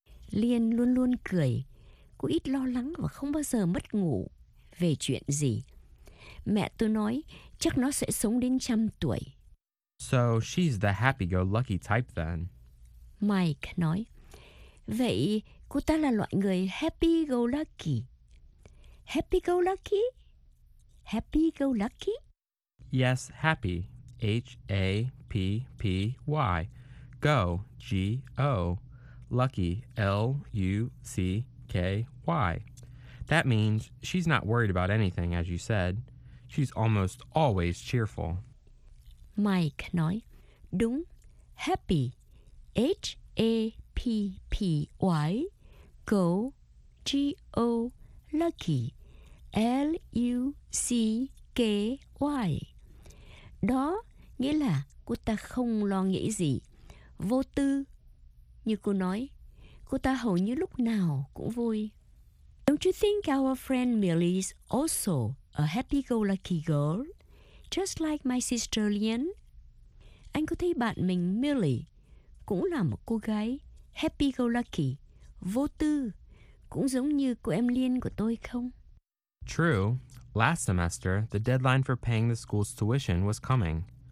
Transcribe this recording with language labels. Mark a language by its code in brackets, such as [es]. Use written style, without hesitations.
[vi] Liên luôn luôn cười. Cô ít lo lắng và không bao giờ mất ngủ về chuyện gì. Mẹ tôi nói chắc nó sẽ sống đến 100 tuổi. [en] So she's the happy-go-lucky type then. [vi] Mike nói, vậy cô ta là loại người happy-go-lucky. [en] Happy-go-lucky? Happy-go-lucky? Yes, happy. H-A-P-P-Y. Go, G-O. Lucky, L-U-C-K-Y. That means she's not worried about anything, as you said. She's almost always cheerful. [vi] Mike nói, đúng, [en] happy. H-A-P-P-Y, go, G-O, lucky, L-U-C-K-Y. [vi] Đó nghĩa là cô ta không lo nghĩ gì, vô tư. Như cô nói, cô ta hầu như lúc nào cũng vui. [en] Don't you think our friend Millie is also a happy-go-lucky girl, just like my sister Lian? [vi] Anh có thấy bạn mình Millie cũng là một cô gái happy-go-lucky, vô tư, cũng giống như cô em Liên của tôi không? [en] True. Last semester, the deadline for paying the school's tuition was coming.